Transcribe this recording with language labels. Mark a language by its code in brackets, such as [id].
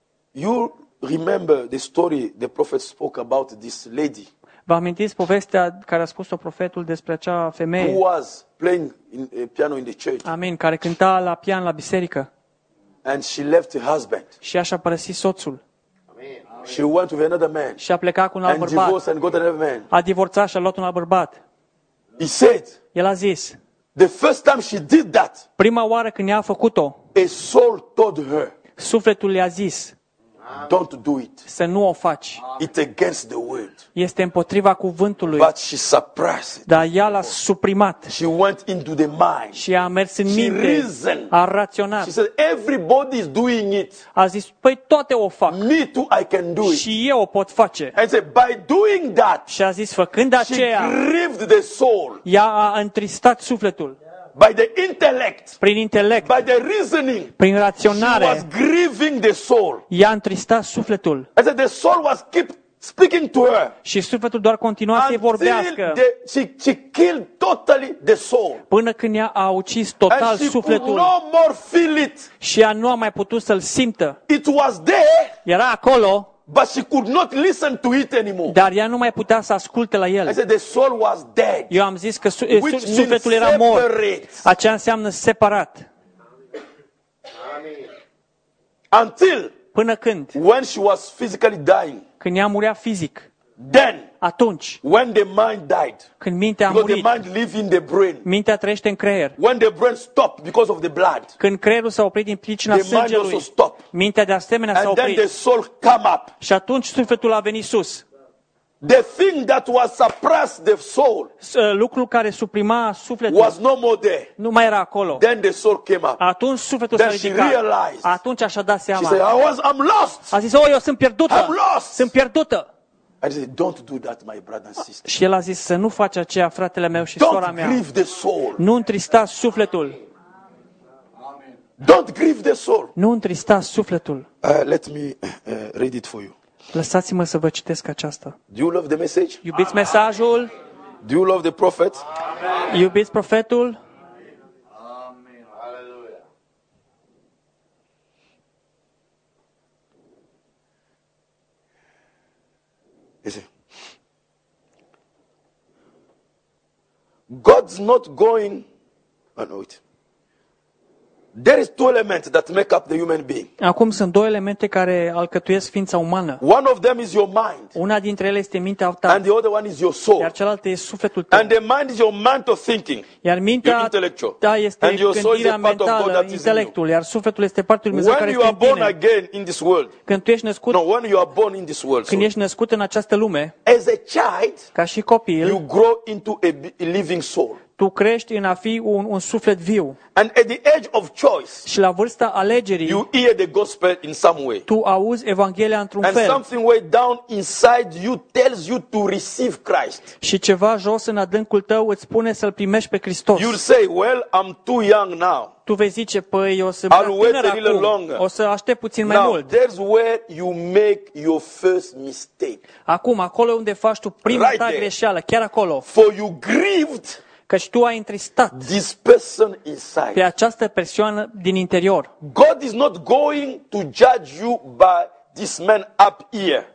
[en] You remember the story the prophet spoke about this lady. [ro] Vă amintiți povestea care a spus-o profetul despre acea femeie? [en] Who was playing in piano in the church. [ro] Amin, care cânta la pian la biserică. [en] And she left her husband. [ro] Și așa a părăsit soțul. Amin. [en] She went with another man. [ro] Și a plecat cu un alt bărbat. [en] Divorced and got another man. [ro] A divorțat și a luat un alt bărbat. [en] He said. [ro] El a zis. [en] The first time she did that. [ro] Prima oară când i-a făcut-o. [en] A soul told her. [ro] Sufletul i-a zis. [en] Don't do it. [ro] Să nu o faci. [en] It's against the word. [ro] Este împotriva cuvântului. [en] But she suppressed. [ro] Dar ea l-a suprimat. [en] She went into the mind. [ro] Și a mers în [en] she [ro] minte. [en] Reasoned. [ro] A raționat. [en] She said everybody is doing it. [ro] A zis, păi toate o fac. [en] Me too, I can do it. [ro] Și eu o pot face. [en] And said by doing that. [ro] Și a zis făcând aceea. [en] She grieved the soul. [ro] Ea a întristat sufletul. [en] By the intellect. [ro] Prin intelect. [en] By the reasoning. [ro] Prin raționare. [en] She was grieving the soul. [ro] I-a întristat sufletul. [en] I said the soul was keep speaking to her. [ro] Și sufletul doar continua să-i vorbească. [en] She killed totally the soul. [ro] Până când ea a ucis total [en] and she [ro] sufletul. [en] No more feel it. [ro] Și ea nu a mai putut să-l simtă. [en] It was there. [ro] Era acolo. [en] But she could not listen to it anymore. [ro] Dar ea nu mai putea să asculte la el. [en] I said the soul was dead. [ro] Eu am zis că sufletul era [en] separate. [ro] Mort. Aceea înseamnă separat. Amen. [en] Until [ro] până când? [en] When she was physically dying. [ro] Când ea murea fizic. [en] Then [ro] atunci. [en] When the mind died. [ro] Când mintea a [en] murit. The mind lives in the brain. [ro] Mintea trăiește în creier. [en] When the brain stopped because of the blood. [ro] Când creierul s-a oprit din pricina sângelui. [en] Mind also stopped. [ro] Mintea de asemenea [en] and [ro] s-a oprit. [en] And then the soul came up. [ro] Și atunci sufletul a venit sus. [en] The thing that was suppressed the soul. [ro] Lucrul care suprima sufletul. [en] Was no more there. [ro] Nu mai era acolo. [en] Then the soul came up. [ro] Atunci sufletul s-a ridicat. Atunci a dat seama. [en] She said, I'm lost. [ro] A zis: "Oh, eu sunt pierdută." [en] I'm lost. [ro] Sunt pierdută. [en] I said, don't do that, my brother and sister. [ro] Și el a zis: "Să nu faci aceea, fratele meu și sora mea." [en] Don't grieve the soul. [ro] Nu întrista sufletul. [en] Amen. Don't grieve the soul. [ro] Nu întrista sufletul. [en] Let me read it for you. [ro] Lăsați-mă să vă citesc aceasta. [en] Do you love the message? [ro] Iubiți mesajul? [en] Do you love the prophet? [ro] Amen. Iubiți profetul? Amen. Hallelujah. [en] God's not going. I know it. There is two elements that make up the human being. [ro] Acum sunt două elemente care alcătuiesc ființa umană. [en] One of them is your mind. [ro] Una dintre ele este mintea ta. [en] And the other one is your soul. [ro] Iar cealaltă este sufletul tău. [en] And the mind is your mental thinking. [ro] Iar mintea ta este gândirea mentală, intelectul, iar sufletul este partea lui Dumnezeu care este în tine. [en] When you are born again in this world. [ro] Când tu ești născut. [en] No, when you are born in this world. [ro] Când ești născut în această lume. [en] As a child. [ro] Ca și copil. [en] You grow into a living soul. [ro] Tu crești în a fi un suflet viu. [en] And at the age of choice, [ro] și la vârsta alegerii, [en] you hear the gospel in some way. [ro] Tu auzi Evanghelia într-un [en] and [ro] fel. [en] Something way down inside you tells you to receive Christ. [ro] Și ceva jos în adâncul tău îți spune să-L primești pe Hristos. [en] You'll say, well, I'm too young now. [ro] Tu vei zice, păi, eu sunt prea tânăr acum. O să aștept puțin mai [en] now, [ro] mult. [en] There's where you make your first mistake. [ro] Acum, acolo unde faci tu prima [en] right [ro] ta greșeală, chiar acolo. [en] For you grieved. [ro] Căci tu ai întristat [en] this person inside. [ro] Pe această persoană din interior. [en] God is not going to judge you by this man up here.